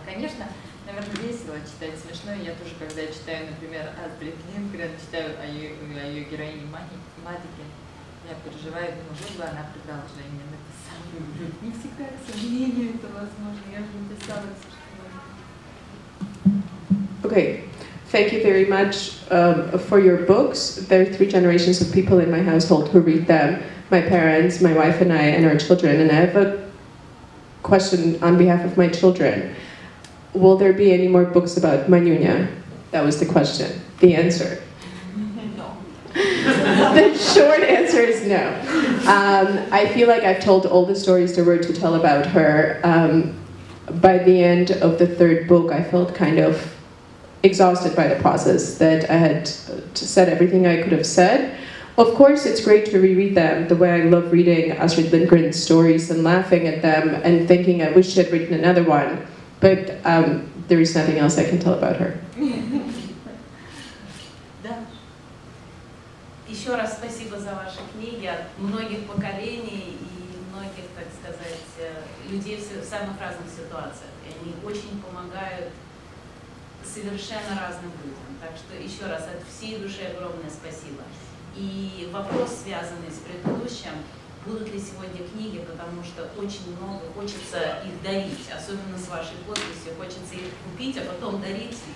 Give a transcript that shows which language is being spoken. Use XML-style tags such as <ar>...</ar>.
<ru>Конечно, наверное, весело читать смешное. Я тоже, когда читаю, например, Астрид Лингрен, читаю о ее героине Мадике, я переживаю, думаю, что бы она продолжение написала. Не всегда, к сожалению, это возможно. Я же написала все, что...</ru> <en>Okay, thank you very much for your books. There are 3 generations of people in my household who read them, my parents, my wife and I, and our children. And I have a question on behalf of my children. Will there be any more books about Manyunya? That was the question. The answer. The short answer is no. I feel like I've told all the stories there were to tell about her. By the end of the third book, I felt kind of exhausted by the process, that I had to said everything I could have said. Of course, it's great to reread them, the way I love reading Astrid Lindgren's stories and laughing at them and thinking I wish she had written another one, but there is nothing else I can tell about her.</en> <ru>Еще раз спасибо за ваши книги от многих поколений и многих, так сказать, людей в самых разных ситуациях. И они очень помогают совершенно разным людям. Так что еще раз от всей души огромное спасибо. И вопрос, связанный с предыдущим, будут ли сегодня книги, потому что очень много, хочется их дарить, особенно с вашей подписью, хочется их купить, а потом дарить.</ru>